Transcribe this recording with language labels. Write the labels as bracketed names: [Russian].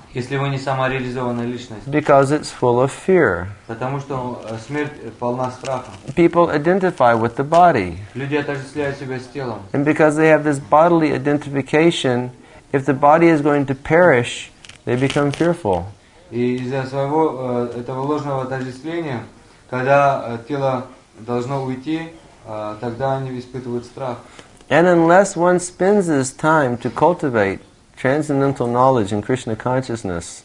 [Russian] Если вы не самореализованная личность. [English] Because it's full of fear. [Russian] Потому что смерть полна страха. [English] People identify with the body. [Russian] Люди отождествляют себя с телом. [English] And because they have this bodily identification, if the body is going to perish, they become fearful. [Russian] И из-за своего этого ложного отождествления, когда тело должно уйти, тогда они испытывают страх. [English] And unless one spends his time to cultivate transcendental knowledge and Krishna consciousness.